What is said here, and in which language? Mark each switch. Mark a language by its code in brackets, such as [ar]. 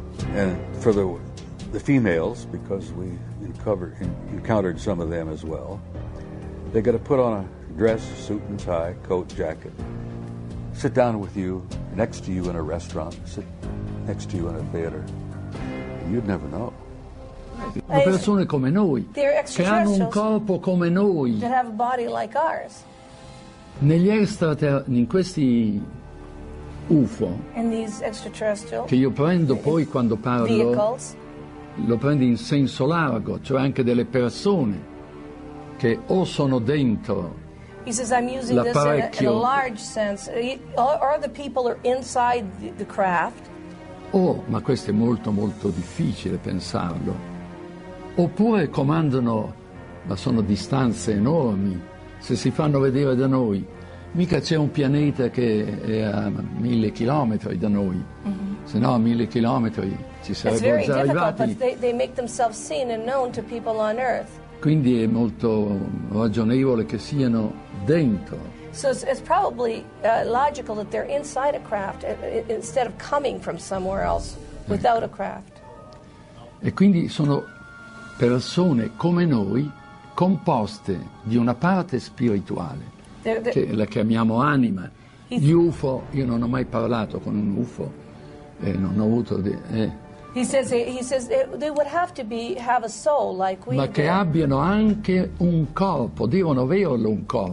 [en] And for the females, because we encountered some of them as well, they got to put on a dress, suit and tie, coat, jacket, sit down with you, next to you in a restaurant, sit next to you in a theater. You'd never know. [it] Le persone come noi, che hanno un corpo come noi, [en] that have a body like ours. [it] Negli extraterrestri, in questi UFO, [en] in these extraterrestrial, [it] che io prendo poi quando parlo, [en] vehicles, [it] lo prendo in senso largo, cioè anche delle persone che o sono dentro l'apparecchio, [en] in a large sense, or the people are inside the craft. [it] Oh, ma questo è molto molto difficile pensarlo. Oppure comandano, ma sono distanze enormi, se si fanno vedere da noi. Mica c'è un pianeta che è a 1000 chilometri da noi, se no a 1000 chilometri ci sarebbero già arrivati. [en] They make themselves seen and known to people on Earth. [it] Quindi è molto ragionevole che siano dentro. [en] So it's probably logical that they're inside a craft instead of coming from somewhere else without a craft. [it] E quindi sono persone come noi, composte di una parte spirituale, che la chiamiamo anima. Gli UFO, io non ho mai parlato con un UFO, non ho avuto... [en] He says they would have to have a soul like we do. [it] Ma che abbiano anche un corpo, devono averlo un corpo.